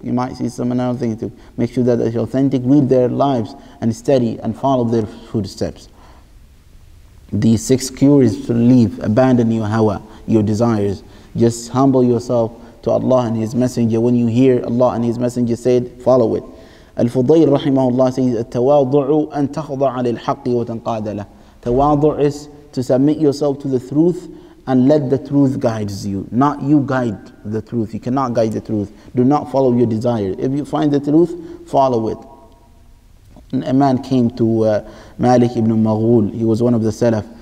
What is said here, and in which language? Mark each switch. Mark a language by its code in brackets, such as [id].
[en] You might see some other things too. Make sure that it's authentic, read their lives and study and follow their footsteps. The sixth cure is to leave, abandon your hawa, your desires. Just humble yourself to Allah and His Messenger. When you hear Allah and His Messenger said, follow it. Al-Fudayl rahimahullah says, [ar] التواضع أن تخضع للحق وتنقاد له. [en] تواضع is to submit yourself to the truth and let the truth guide you. Not you guide the truth. You cannot guide the truth. Do not follow your desire. If you find the truth, follow it. A man came to Malik ibn Maghul. He was one of the Salaf.